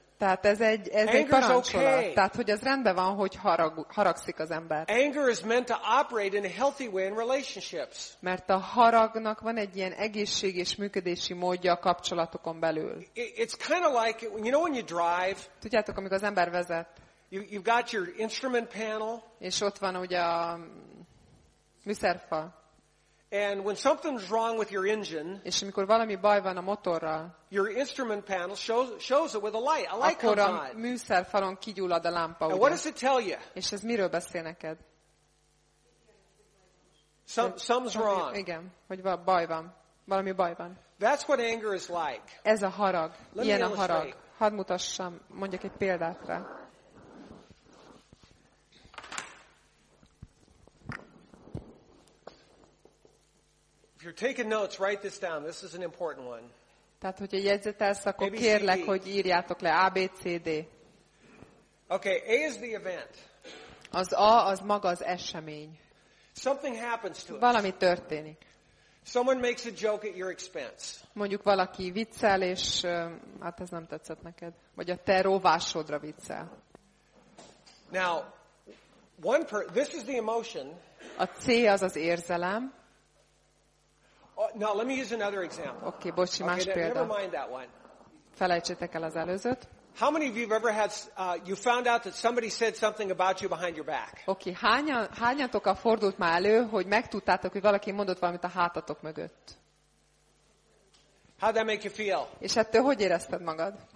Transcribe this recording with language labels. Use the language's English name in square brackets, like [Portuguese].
[Hungarian] Tehát ez egy parancsolat. Okay. Tehát, hogy ez rendben van, hogy haragszik az ember. [English] Anger is meant to operate in a healthy way in relationships. [Hungarian] Mert a haragnak van egy ilyen egészség és működési módja a kapcsolatokon belül. [English] It's kind of like, you know, when you drive. [Hungarian] Tudjátok, amikor az ember vezet. [English] You've got your instrument panel. [Hungarian] És ott van ugye a műszerfa. [English] And when something's wrong with your engine, [Hungarian] és amikor valami baj van a motorral, [English] your instrument panel shows it with a light. A light comes on. [Hungarian] Akkor a műszerfalon kigyullad a lámpa. [English] And what does it tell you? [Hungarian] És ez miről beszél neked? [English] Something's wrong. [Hungarian] Igen, hogy baj van. Valami baj van. [English] That's what anger is like. [Hungarian] Ez a harag. Ilyen a harag. Hadd mutassam, mondjak egy példát rá. [English] If you're taking notes, write this down. This is an important one. [Hungarian] Tehát, hogyha jegyzetelsz, akkor kérlek, hogy írjátok le ABCD. [English] Okay, A is the event. [Hungarian] Az A az maga az esemény. [English] Something happens to us. [Hungarian] Valami történik. [English] Someone makes a joke at your expense. [Hungarian] Mondjuk valaki viccel, és hát ez nem tetszett neked, vagy a te rovásodra viccel. [English] Now, this is the emotion. [Hungarian] A C az az érzelem. [English] Oh, now let me use another example. [Hungarian] Okay, bocsi, más példa. [English] Never mind that one. [Hungarian] Felejtsétek el az előzőt. [English] How many of you have ever had you found out that somebody said something about you behind your back? [Hungarian] Okay, hányatok a fordult már elő, hogy megtudtátok, hogy valaki mondott valamit a hátatok mögött? [English] How'd that make you feel? [Hungarian] És ettől hogy érezted magad?